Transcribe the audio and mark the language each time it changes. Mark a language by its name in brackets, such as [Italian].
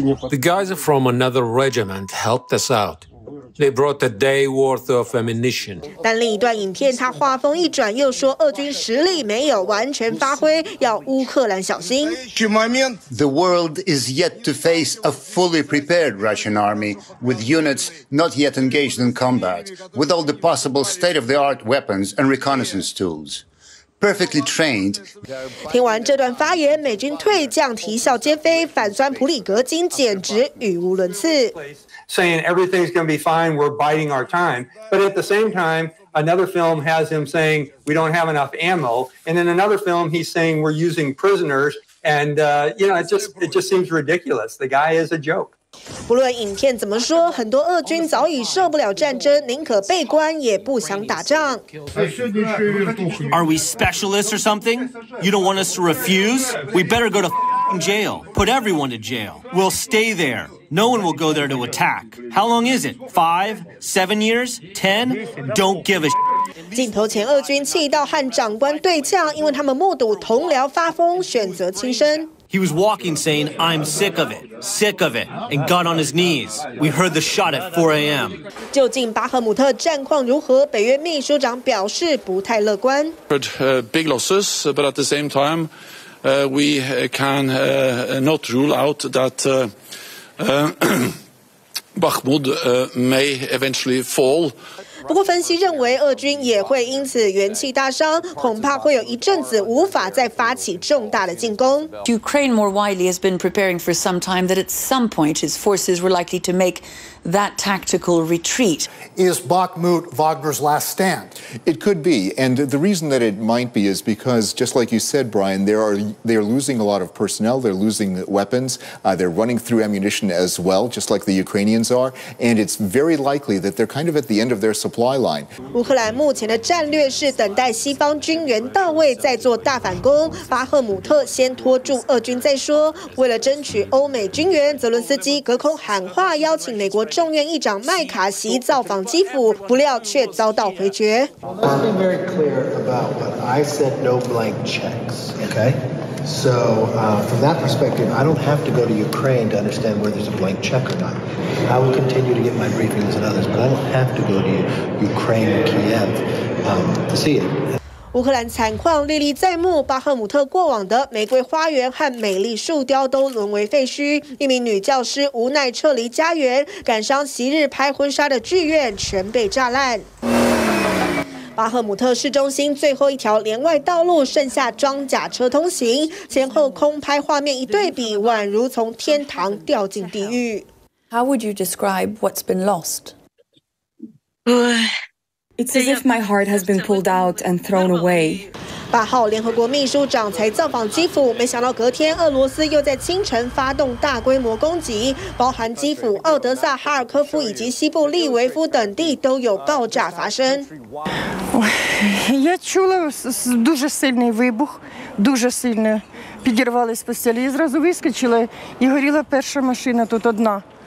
[English] The guys from another regiment helped us out. They brought a day worth of ammunition. [Chinese] 但另一段影片，他话锋一转，又说俄军实力没有完全发挥，要乌克兰小心。 [English] The world is yet to face a fully prepared Russian army with units not yet engaged in combat, with all the possible state-of-the-art weapons and reconnaissance tools. Perfectly trained. [Chinese] 听完这段发言，美军退将啼笑皆非，反酸普里格金简直语无伦次。 [English] Saying everything's going to be fine, we're biding our time. But at the same time, another film has him saying we don't have enough ammo. And in another film, he's saying we're using prisoners. And you know, it just seems ridiculous. The guy is a joke. [Chinese] 不论影片怎么说，很多俄军早已受不了战争，宁可被关也不想打仗。 [English] Are we specialists or something? You don't want us to refuse? We better go to f-ing jail. Put everyone to jail. We'll stay there. No one will go there to attack. How long is it? 5, 7 years, 10? Don't give a sh- [Chinese] 镜头前，俄军气到和长官对呛，因为他们目睹同僚发疯，选择轻生。 [English] He was walking, saying, "I'm sick of it," and got on his knees. We heard the shot at 4 a.m. [Chinese] 究竟巴赫姆特战况如何？北约秘书长表示不太乐观。 [English] Heard big losses, but at the same time, we can not rule out that Bakhmut may eventually fall. [Chinese] 不过分析认为，俄军也会因此元气大伤，恐怕会有一阵子无法再发起重大的进攻。 [English] Ukraine more widely has been preparing for some time that at some point his forces were likely to make that tactical retreat. Is Bakhmut Wagner's last stand? It could be, and the reason that it might be is because, just like you said, Brian, they are losing a lot of personnel, they're losing weapons, they're running through ammunition as well, just like the Ukrainians are, and it's very likely that they're kind of at the end of their. [Chinese] 乌克兰目前的战略是等待西方军援到位再做大反攻，巴赫姆特先拖住俄军再说。为了争取欧美军援，泽伦斯基隔空喊话邀请美国众院议长麦卡锡造访基辅，不料却遭到回绝。 [English] I've been very clear about what I said, no blank checks. Okay. So, from that perspective, I don't have to go to Ukraine to understand whether there's a blank check or not. I will continue to get my briefings and others, but I don't have to go to Ukraine or Kiev to see it. [Chinese] 乌克兰惨况历历在目，巴赫姆特过往的玫瑰花园和美丽树雕都沦为废墟。一名女教师无奈撤离家园，感伤昔日拍婚纱的剧院全被炸烂。巴赫姆特市中心最后一条连外道路剩下装甲车通行，前后空拍画面一对比，宛如从天堂掉进地狱。 [English] How would you describe what's been lost? It's as if my heart has been pulled out and thrown away. [Chinese] 八号，联合国秘书长才造访基辅，没想到隔天俄罗斯又在清晨发动大规模攻击，包含基辅、奥德萨、哈尔科夫以及西部利维夫等地都有爆炸发生。 [Ukrainian] Я чула дуже сильний вибух, дуже сильно підірвались постіли, зразу вискочили і горіла перша машина тут одна.